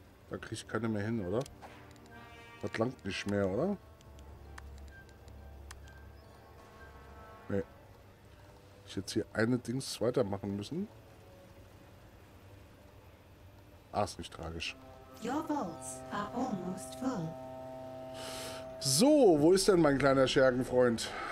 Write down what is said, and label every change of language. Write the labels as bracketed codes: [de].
[de] Da kriege ich keine mehr hin, oder? Das langt nicht mehr, oder? Nee. Ich jetzt hier eine Dings weitermachen müssen. Ah, ist nicht tragisch. [en] Your vaults are almost full. [de] So, wo ist denn mein kleiner Schergenfreund?